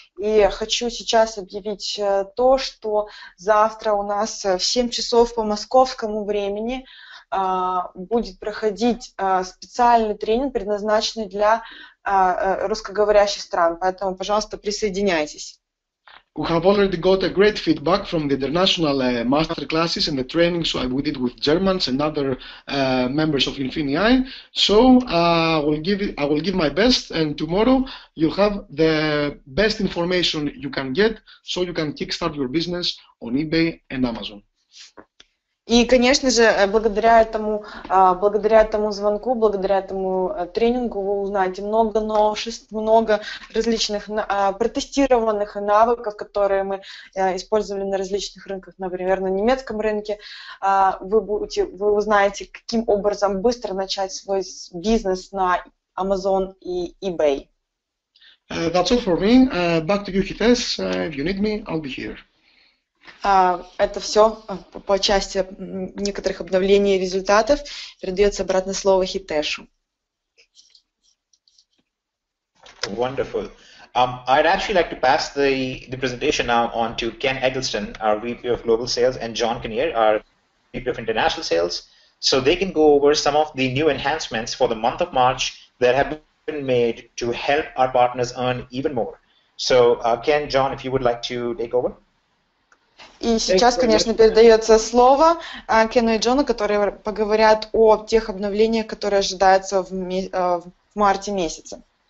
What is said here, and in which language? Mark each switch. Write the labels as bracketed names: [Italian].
[Russian] И хочу сейчас объявить то, что завтра у нас в 7 часов по московскому времени будет проходить специальный тренинг, предназначенный для русскоговорящих стран. Поэтому, пожалуйста, присоединяйтесь. [English] We have already got a great feedback from the international master classes and the trainings I did with Germans and other members of InfiniEye. So I will give my best, and tomorrow you'll have the best information you can get, so you can kickstart your business on eBay and Amazon. [Russian] И, конечно же, благодаря этому звонку, благодаря этому тренингу вы узнаете много новшеств, много различных протестированных навыков, которые мы использовали на различных рынках, например, на немецком рынке. Вы узнаете, каким образом быстро начать свой бизнес на Amazon и eBay. [English] That's all for me. Back to you, Hites. If you need me, I'll be here. [Russian] Это все по части некоторых обновлений и результатов. Передается обратно слово Хитешу. [English] Wonderful. I'd actually like to pass the presentation now on to Ken Eggleston, our VP of Global Sales, and John Kinnear, our VP of International Sales, so they can go over some of the new enhancements for the month of March that have been made to help our partners earn even more. So, Ken, John, if you would like to take over. [Russian] И сейчас, конечно, передается слово Кену и Джону, которые поговорят о тех обновлениях, которые ожидаются в марте месяце.